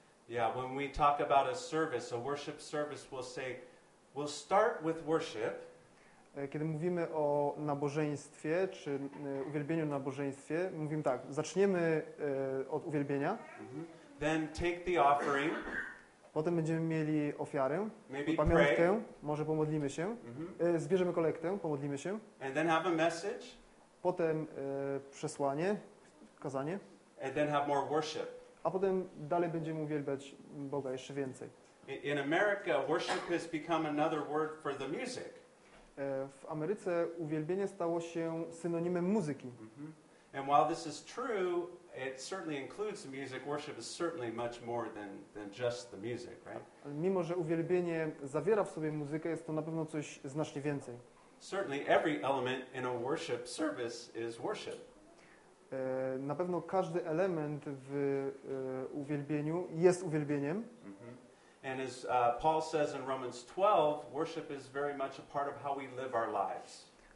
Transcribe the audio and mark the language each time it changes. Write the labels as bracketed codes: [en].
[en] Yeah, when we talk about a service, a worship service, we'll say, we'll start with worship. [pl] Kiedy mówimy o nabożeństwie, czy uwielbieniu na nabożeństwie, mówimy tak, zaczniemy od uwielbienia. [en] Then take the offering. [pl] Potem będziemy mieli ofiarę, [en] maybe [pl] pamiątkę, [en] pray. [pl] Może pomodlimy się, zbierzemy kolektę, pomodlimy się. [en] And then have a message. [pl] Potem przesłanie, kazanie. [en] And then have more worship. [pl] A potem dalej będziemy uwielbiać Boga jeszcze więcej. [en] In America, worship has become another word for the music. [pl] W Ameryce uwielbienie stało się synonimem muzyki. [en] And while this is true, it certainly includes the music. Worship is certainly much more than just the music, right? [pl] Mimo że uwielbienie zawiera w sobie muzykę, jest to na pewno coś znacznie więcej. [en] Certainly every element in a worship service is worship. [pl] Na pewno każdy element w uwielbieniu jest uwielbieniem. [en] And as Paul says in Romans 12, worship is very much a part of how we live our lives.